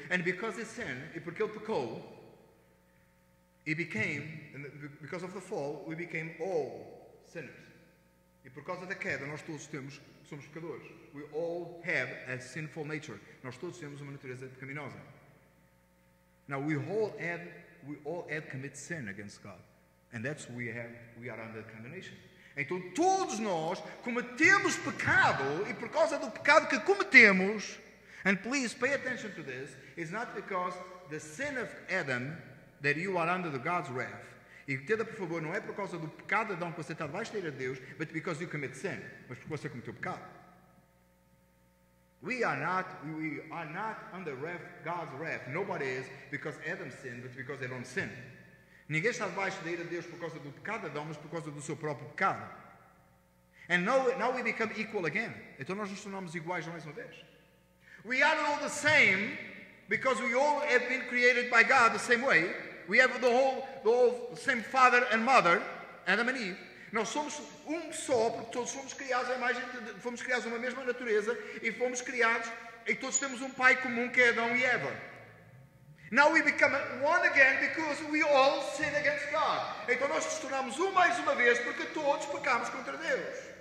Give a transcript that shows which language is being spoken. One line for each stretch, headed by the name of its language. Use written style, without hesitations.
English: And because he sinned,
Portuguese: e porque ele pecou,
English: he became, and because of the fall, we became all sinners.
Portuguese: E por causa da queda, nós todos somos pecadores.
English: We all have a sinful nature.
Portuguese: Nós todos temos uma natureza pecaminosa.
English: Now we all have committed sin against God, and that's we are under condemnation.
Portuguese: Então todos nós cometemos pecado, e por causa do pecado que cometemos,
English: and please pay attention to this, it's not because the sin of Adam that you are under the God's wrath.
Portuguese: E entenda, por favor, não é por causa do pecado de Adão que você está debaixo da ira de Deus,
English: but because you commit sin,
Portuguese: mas porque você cometeu pecado.
English: We are not under wrath, God's wrath. Nobody is, because Adam sinned, but because they don't sin.
Portuguese: Ninguém está debaixo da ira de Deus por causa do pecado de Adão, mas por causa do seu próprio pecado.
English: And now we become equal again.
Portuguese: Então nós nos tornamos iguais mais uma vez.
English: We are all the same, because we all have been created by God the same way. We have the whole same father and mother, Adam and Eve.
Portuguese: Nós somos um só, porque todos fomos criados à imagem fomos criados uma mesma natureza, e fomos criados, e todos temos um pai comum, que é Adão e Eva.
English: Now we become one again because we all sin against God.
Portuguese: Então nós nos tornamos um mais uma vez porque todos pecamos contra Deus.